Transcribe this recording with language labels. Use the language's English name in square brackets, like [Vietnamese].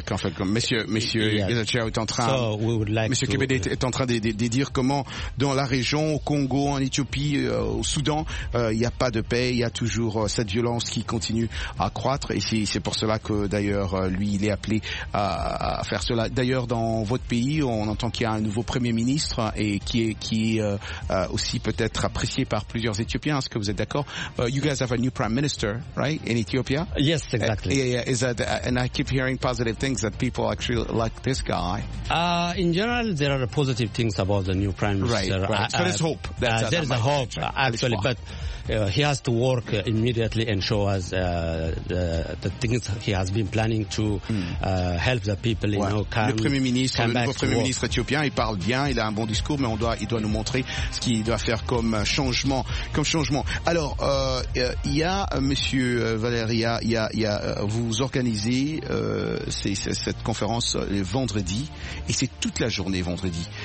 [English] The conflict, [French] Monsieur Kébédé est en train de dire comment dans la région, au Congo, en Éthiopie, au Soudan, il n'y a pas de paix, il y a toujours cette violence qui continue à croître, et c'est pour cela que d'ailleurs lui, il est appelé à faire cela. D'ailleurs, dans votre pays, on entend qu'il y a un nouveau premier ministre et qui est aussi peut-être apprécié par plusieurs Éthiopiens. Est-ce que vous êtes d'accord? [English] You guys have a new prime minister, right? In Ethiopia? Yes, exactly. And I keep hearing positive things that people actually like this guy. In general, there are positive things about the new prime minister. Right, right. So there's hope. There's a hope, actually, but he has to work immediately and show us the things he has been planning to help the people, [French] Le premier ministre éthiopien, il parle bien, il a un bon discours, mais il doit nous montrer ce qu'il doit faire comme changement. Alors, il y a monsieur Valéria, vous organisez cette conférence vendredi, et c'est toute la journée vendredi.